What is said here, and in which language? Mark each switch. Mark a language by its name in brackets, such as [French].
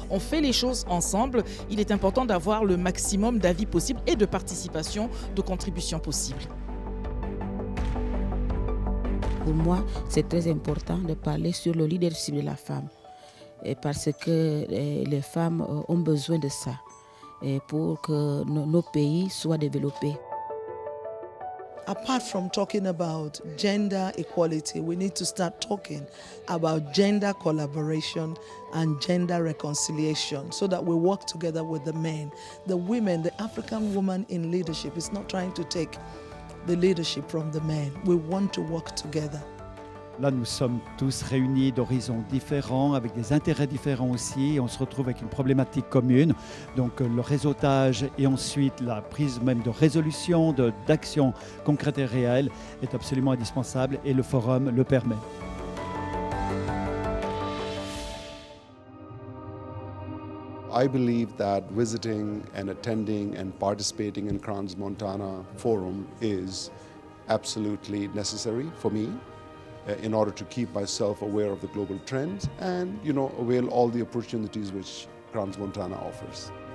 [French] On fait les choses ensemble. Il est important d'avoir le maximum d'avis possible et de participation, de contribution possible. Pour moi, c'est très important de parler sur le leadership de la femme. Et parce que les femmes ont besoin de ça pour que nos pays soient développés. [English] Apart from talking about gender equality, we need to start talking about gender collaboration and gender reconciliation so that we work together with the men. The women, the African woman in leadership is not trying to take the leadership from the men. We want to work together. [French] Là, nous sommes tous réunis d'horizons différents, avec des intérêts différents aussi. On se retrouve avec une problématique commune. Donc le réseautage et ensuite la prise même de résolution, d'action concrète et réelle est absolument indispensable, et le forum le permet. [English] I believe that visiting and attending and participating in Crans-Montana Forum is absolutely necessary for me. in order to keep myself aware of the global trends and, you know, avail all the opportunities which Crans Montana offers.